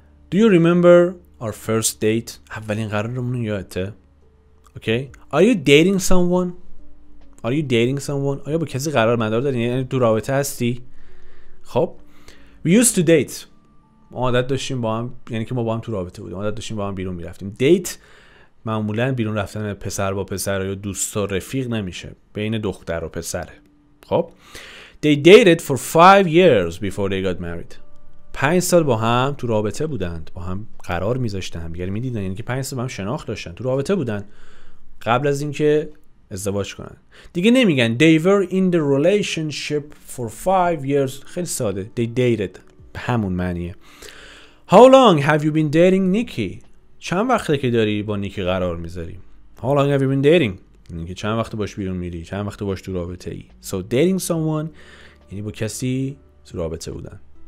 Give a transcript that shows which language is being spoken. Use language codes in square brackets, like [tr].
[en] Do you remember our first date? [fa] اولین قرارمون رو یادته؟ [en] Okay. Are you dating someone? Are you dating someone? [fa] آیا با کسی قرار مدار داری؟ یعنی تو رابطه هستی؟ خب [en] We used to date. [fa] ما عادت داشتیم با هم، یعنی که ما با هم تو رابطه بودیم، عادت داشتیم با هم بیرون میرفتیم. دیت معمولا بیرون رفتن پسر با پسر یا دوست و رفیق نمیشه، بین دختر و پسره. خب [en] They dated for 5 years before they got married. [fa] 5 سال با هم تو رابطه بودند، با هم قرار میذاشتن، همدیگر میدیدن، یعنی که 5 سال با هم شناخت داشتن، تو رابطه بودن قبل از اینکه ازدواج کنن. دیگه نمیگن [en] They were in the relationship for 5 years. [fa] خیلی ساده، [en] They dated [fa] همون معنیه. [en] How long have you been dating Nikki? [fa] چند وقته که داری با نیکی قرار میذاری؟ [en] How long have you been dating؟ [fa] یعنی که چند وقت باش بیرون میری، چند وقت باش تو رابطه ای. [en] So dating someone [fa] یعنی با کسی تو رابطه بودن.